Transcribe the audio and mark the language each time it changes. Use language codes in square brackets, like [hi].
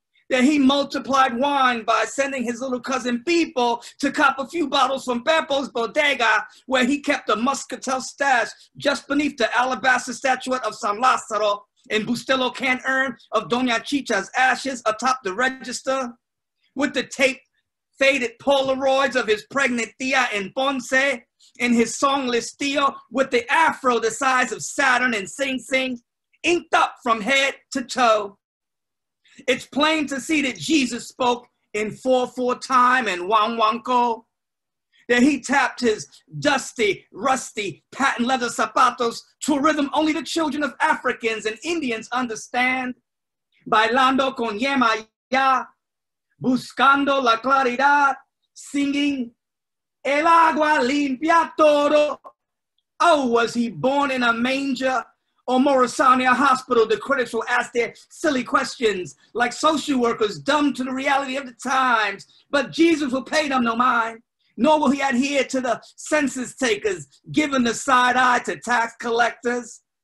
[en] Then he multiplied wine by sending his little cousin Pipo to cop a few bottles from Beppo's bodega, where he kept a Muscatel stash just beneath the alabaster statuette of San Lázaro and Bustelo can urn of Doña Chicha's ashes atop the register, with the tape faded Polaroids of his pregnant tia in Ponce and his songless tio with the afro the size of Saturn and Sing Sing, inked up from head to toe. It's plain to see that Jesus spoke in 4/4 time and wang wangko. Then he tapped his dusty, rusty, patent leather zapatos to a rhythm only the children of Africans and Indians understand. [es] Bailando con yema ya, buscando la claridad, [en] singing [es] el agua limpia todo. [en] Oh, was he born in a manger? Or Morrisania Hospital, the critics will ask their silly questions, like social workers dumb to the reality of the times. But Jesus will pay them no mind, nor will he adhere to the census takers, giving the side eye to tax collectors.